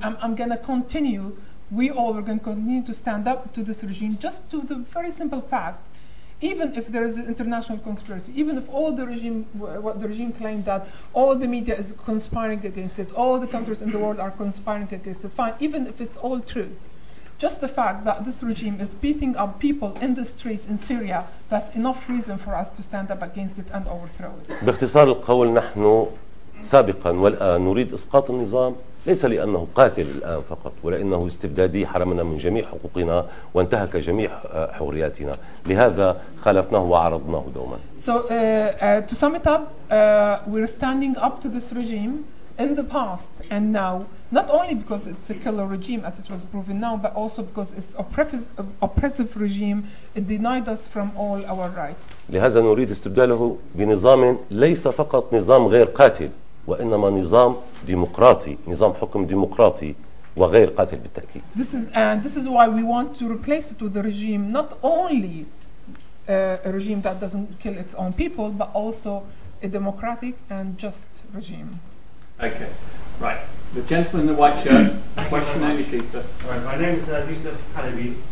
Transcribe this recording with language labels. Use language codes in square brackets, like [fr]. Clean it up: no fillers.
[en] I'm going to continue. We all are going to continue to stand up to this regime, just to the very simple fact, even if there is an international conspiracy, even if all the regime, what the regime claimed, that all the media is conspiring against it, all the countries in the world are conspiring against it, fine, even if it's all true, just the fact that this regime is beating up people in the streets in Syria, that's enough reason for us to stand up against it and overthrow it. [ar] باختصار القول، نحن سابقا والآن نريد إسقاط النظام، ليس لأنه قاتل الآن فقط، ولأنه استبدادي حرمنا من جميع حقوقنا وانتهك جميع حرياتنا، لهذا خالفناه وعرضناه دوما. [en] So to sum it up, we're standing up to this regime in the past and now, not only because it's a killer regime as it was proven now, but also because it's oppressive regime, it denied us from all our rights. [ar] لهذا نريد استبداله بنظام ليس فقط نظام غير قاتل، وإنما نظام ديمقراطي، نظام حكم ديمقراطي وغير قاتل بالتأكيد. [en] This is why we want to replace it with a regime, not only a regime that doesn't kill its own people, but also a democratic and just regime. Okay, right. The gentleman in the white shirt, question only, please, sir. All right, my name is Yusuf Halabi.